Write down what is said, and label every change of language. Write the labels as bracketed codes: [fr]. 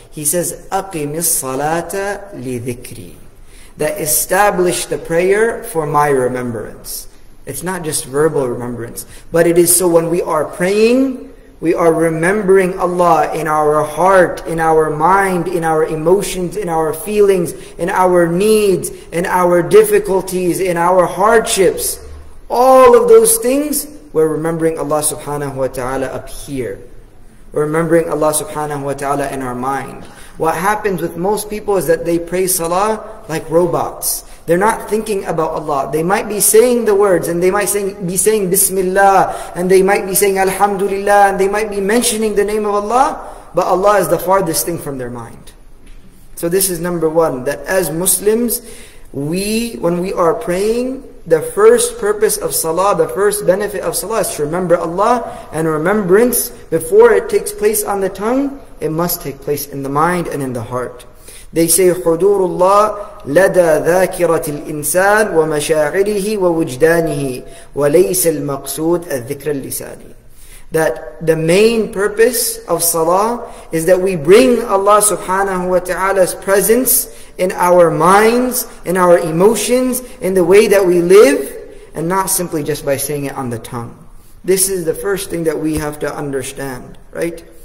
[en] He says, [ar] أَقِمِ الصَّلَاةَ لِذِكْرِي. [en] That establish the prayer for my remembrance. It's not just verbal remembrance, but it is so when we are praying, we are remembering Allah in our heart, in our mind, in our emotions, in our feelings, in our needs, in our difficulties, in our hardships. All of those things, we're remembering Allah subhanahu wa ta'ala up here. We're remembering Allah subhanahu wa ta'ala in our mind. What happens with most people is that they pray salah like robots. They're not thinking about Allah. They might be saying the words, and they might be saying Bismillah, and they might be saying Alhamdulillah, and they might be mentioning the name of Allah, but Allah is the farthest thing from their mind. So this is number one, that as Muslims, we, when we are praying, the first purpose of salah, the first benefit of salah is to remember Allah, and remembrance, before it takes place on the tongue, it must take place in the mind and in the heart. They say, [ar] حُدُورُ اللَّهِ لَدَى ذَاكِرَةِ الْإِنسَانِ وَمَشَاعِرِهِ وَوُجْدَانِهِ وَلَيْسَ الْمَقْصُودَ الذِّكْرَ اللِّسَانِ. [en] That the main purpose of salah is that we bring Allah subhanahu wa ta'ala's presence in our minds, in our emotions, in the way that we live, and not simply just by saying it on the tongue. This is the first thing that we have to understand, right?